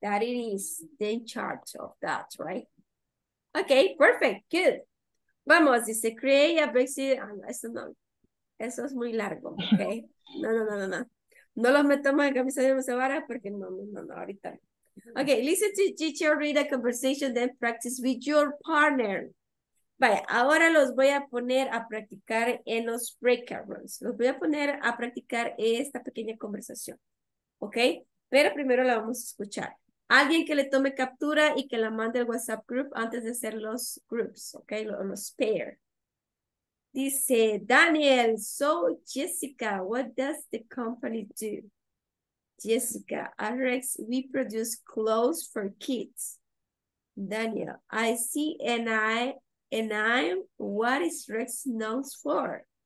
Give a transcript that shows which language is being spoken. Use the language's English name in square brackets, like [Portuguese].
[English] That it is the in charge of that, right? Okay, perfect, good. [Spanish] Vamos, dice, [English] create a basic, [Spanish] eso no, eso es muy largo, ¿ok? No. No los metamos en camisa de Mesa Vara porque no, ahorita. [English] Ok, listen to teacher, read a conversation, then practice with your partner. [Spanish] Vaya, ahora los voy a poner a practicar en los breakout rooms. Los voy a poner a practicar esta pequeña conversación, ¿ok? Pero primero la vamos a escuchar. Alguien que le tome captura y que la mande al WhatsApp group antes de hacer los groups, ¿ok? Los pair. [English] Dice, Daniel, so Jessica, what does the company do? Jessica, Rx, we produce clothes for kids. Daniel, I see, and I, what is Rx known for?